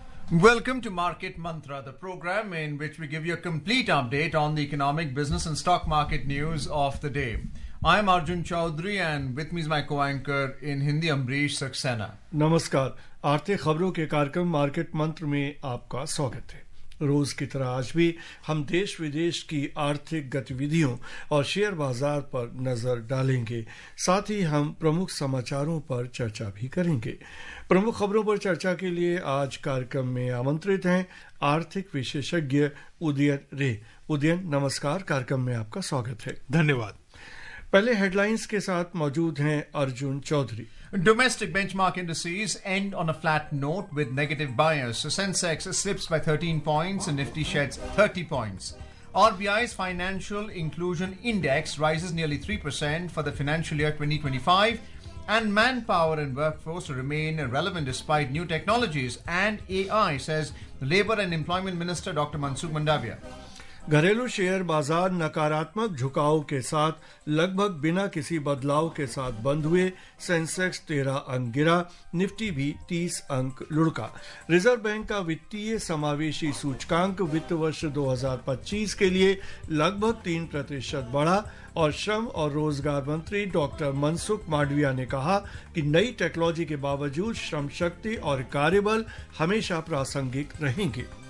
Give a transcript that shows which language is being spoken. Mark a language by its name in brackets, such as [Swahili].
[English] Welcome to Market Mantra, the program in which we give you a complete update on the economic, business and stock market news of the day. I'm Arjun Chowdhury and with me is my co-anchor in Hindi, Ambrish Saxena. [Hindi] Namaskar. Aarthik Khabron ke karyakram Market Mantra mein aapka swagat hai. रोज की तरह आज भी हम देश विदेश की आर्थिक गतिविधियों और शेयर बाजार पर नजर डालेंगे. साथ ही हम प्रमुख समाचारों पर चर्चा भी करेंगे. प्रमुख खबरों पर चर्चा के लिए आज कार्यक्रम में आमंत्रित हैं आर्थिक विशेषज्ञ उदयन रे. उदयन, नमस्कार, कार्यक्रम में आपका स्वागत है. धन्यवाद. पहले हेडलाइंस के साथ मौजूद हैं Arjun Chaudhary. [English] Domestic benchmark indices end on a flat note with negative bias. Sensex slips by 13 points and Nifty sheds 30 points. RBI's Financial Inclusion Index rises nearly 3% for the financial year 2025. And manpower and workforce remain relevant despite new technologies and AI, says Labour and Employment Minister Dr. Mansukh Mandavia. [Hindi] घरेलू share बाजार नकारात्मक झुकाव के साथ लगभग बिना किसी बदलाव के साथ बंद हुए. सेंसेक्स 13 अंक गिरा, निफ्टी भी 30 अंक लुढ़का. रिजर्व बैंक का वित्तीय समावेशी सूचकांक वित्त वर्ष 2025 के लिए लगभग 3% बढ़ा और श्रम और रोजगार मंत्री डॉक्टर मनसुख मांडविया ने कहा कि नई टेक्नोलॉजी के बावजूद श्रम शक्ति और कार्यबल हमेशा प्रासंगिक रहेंगे.